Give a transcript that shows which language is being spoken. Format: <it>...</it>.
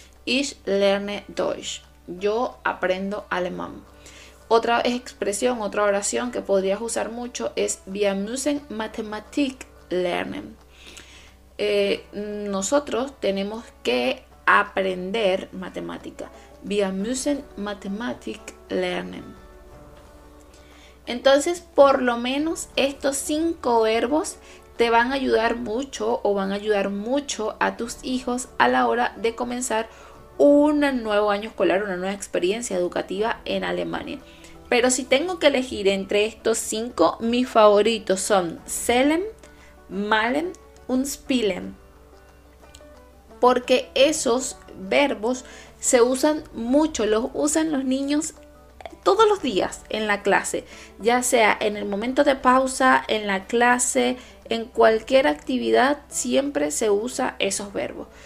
<de>Ich lerne Deutsch.</de> <es>Yo aprendo alemán. Otra expresión, otra oración que podrías usar mucho es</es> <de>Wir müssen Mathematik lernen.</de> <es>Nosotros tenemos que aprender matemática.</es> <de>Wir müssen Mathematik lernen.</de> <es>Entonces, por lo menos estos cinco verbos te van a ayudar mucho o van a ayudar mucho a tus hijos a la hora de comenzar un nuevo año escolar, una nueva experiencia educativa en Alemania. Pero si tengo que elegir entre estos cinco, mis favoritos son Selem, Malen, Unspielen, porque esos verbos se usan mucho, los usan los niños todos los días en la clase, ya sea en el momento de pausa, en la clase, en cualquier actividad, siempre se usa esos verbos.</es>